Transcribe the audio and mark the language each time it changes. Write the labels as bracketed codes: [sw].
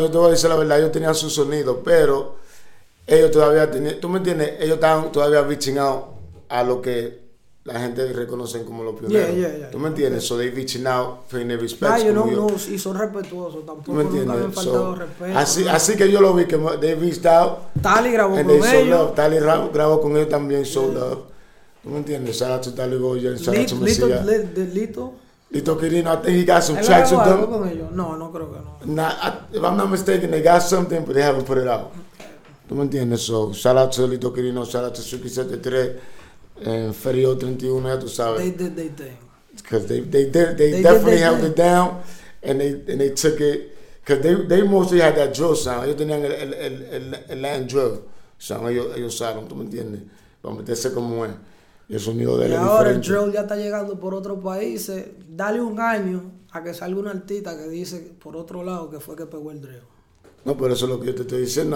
[es] Yo te voy a decir la verdad, ellos tenían su sonido, pero ellos todavía tenían, tú me entiendes, ellos estaban todavía [en] bitching out [es] a lo que la gente reconoce como los pioneros. Tú me entiendes, [en] so they bitching out, feeling their respect. [es] Y son respetuosos tampoco. Me entiendes, nunca me han faltado respeto. Así que yo lo vi, que [en] they bitched out. [es] Tali grabó con ellos. Tali grabó con ellos también, [en] show love. [es] Tú me entiendes, [en] shout out to Tali Goyen, shout out to Mesías. [es] Lito [en] Quirino, I think he got some tracks with them. [es] No, creo que no. [en] Nah, if I'm not mistaken, they got something, but they haven't put it out. [es] ¿Tú me entiendes? [en] So, shout out to Lito Quirino, shout out to Chucky 73, and Ferio 31, [es] ya tú sabes. [en] They definitely held it down, and they took it, because they mostly had that drill sound. [es] Ellos tenían el Latin drill sound, ellos usaron, ¿tú me entiendes? Para meterse como es. El sonido de y ahora el drill ya está llegando por otros países. Dale un año a que salga un artista que dice por otro lado que fue que pegó el drill. No, pero eso es lo que yo te estoy diciendo.